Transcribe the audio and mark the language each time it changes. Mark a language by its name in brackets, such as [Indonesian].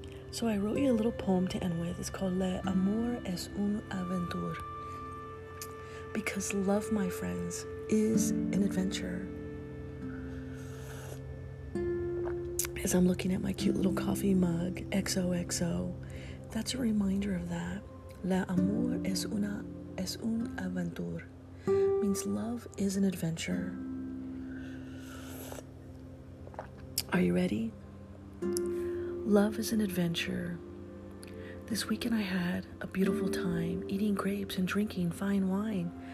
[English] So I wrote you a little poem to end with. It's called [French] Le Amour est une aventure. [English] Because love, my friends, is an adventure. As I'm looking at my cute little coffee mug, XOXO, that's a reminder of that. [French] L'amour est une aventure. [English] Means love is an adventure. Are you ready? Love is an adventure. This weekend I had a beautiful time eating grapes and drinking fine wine.